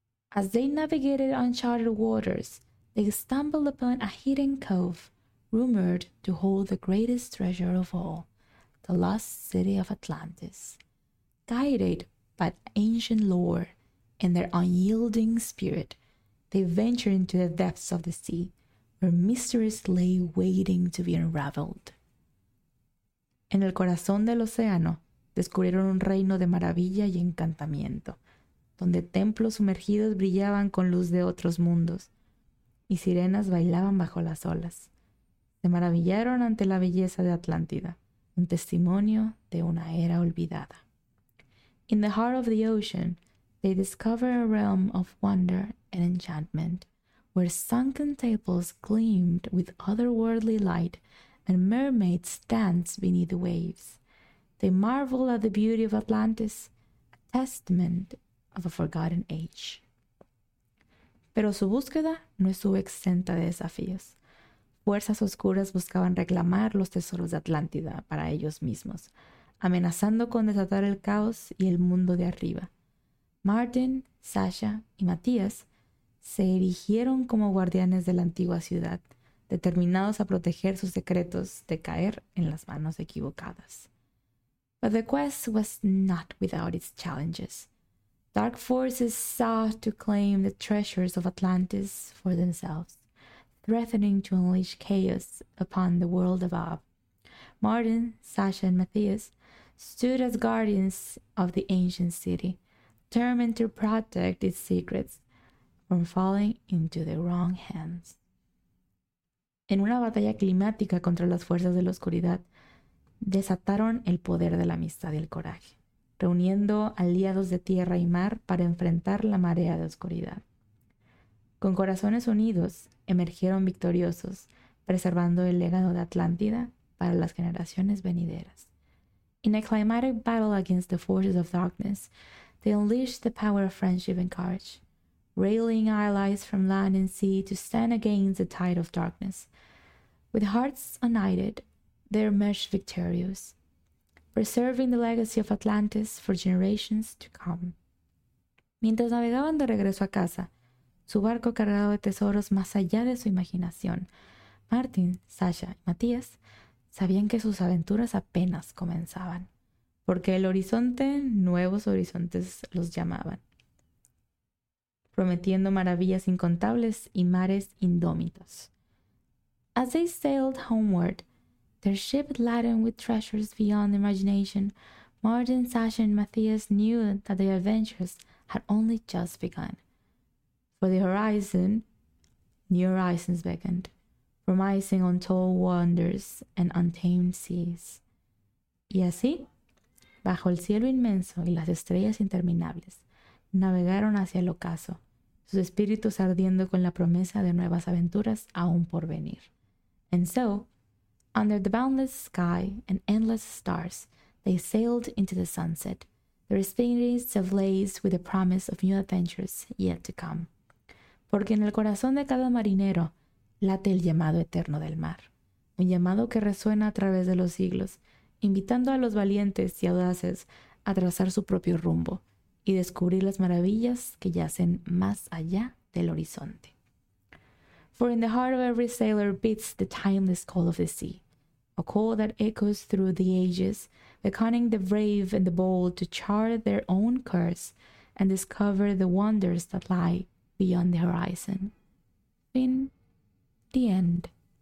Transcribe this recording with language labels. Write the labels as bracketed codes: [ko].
[en] As they navigated uncharted waters, they stumbled upon a hidden cove, rumored to hold the greatest treasure of all, the lost city of Atlantis. Guided by ancient lore and their unyielding spirit, they ventured into the depths of the sea, where mysteries lay waiting to be unraveled. [es] En el corazón del océano, descubrieron un reino de maravilla y encantamiento, donde templos sumergidos brillaban con luz de otros mundos, y sirenas bailaban bajo las olas. Se maravillaron ante la belleza de Atlántida, un testimonio de una era olvidada. [en] In the heart of the ocean, they discovered a realm of wonder and enchantment, where sunken temples gleamed with otherworldly light, and mermaids dance beneath the waves. They marvel at the beauty of Atlantis, a testament of a forgotten age. [es] Pero su búsqueda no estuvo exenta de desafíos. Fuerzas oscuras buscaban reclamar los tesoros de Atlántida para ellos mismos, amenazando con desatar el caos y el mundo de arriba. Martin, Sasha y Matías se erigieron como guardianes de la antigua ciudad, determinados a proteger sus secretos de caer en las manos equivocadas. [en] But the quest was not without its challenges. Dark forces sought to claim the treasures of Atlantis for themselves, threatening to unleash chaos upon the world above. Martin, Sasha, and Matthias stood as guardians of the ancient city, determined to protect its secrets from falling into the wrong hands. [es] En una batalla climática contra las fuerzas de la oscuridad, desataron el poder de la amistad y el coraje, reuniendo aliados de tierra y mar para enfrentar la marea de oscuridad. Con corazones unidos, emergieron victoriosos, preservando el legado de Atlántida para las generaciones venideras. [en] In a climatic battle against the forces of darkness, they unleashed the power of friendship and courage, rallying allies from land and sea to stand against the tide of darkness. With hearts united, they emerged victorious, preserving the legacy of Atlantis for generations to come. [es] Mientras navegaban de regreso a casa, su barco cargado de tesoros más allá de su imaginación, Martin, Sasha y Matías sabían que sus aventuras apenas comenzaban, porque el horizonte, nuevos horizontes, los llamaban, prometiendo maravillas incontables y mares indómitos. [en] As they sailed homeward, their ship laden with treasures beyond imagination, Martin, Sasha, and Matthias knew that their adventures had only just begun. For the horizon, new horizons beckoned, promising untold wonders and untamed seas. [es] Y así, bajo el cielo inmenso y las estrellas interminables, navegaron hacia el ocaso, sus espíritus ardiendo con la promesa de nuevas aventuras aún por venir. [en] And so, under the boundless sky and endless stars, they sailed into the sunset, their spirits ablaze with the promise of new adventures yet to come. [es] Porque en el corazón de cada marinero late el llamado eterno del mar, un llamado que resuena a través de los siglos, invitando a los valientes y audaces a trazar su propio rumbo y descubrir las maravillas que yacen más allá del horizonte. [en] For in the heart of every sailor beats the timeless call of the sea, a call that echoes through the ages, beckoning the brave and the bold to chart their own course and discover the wonders that lie beyond the horizon. Fin. The end.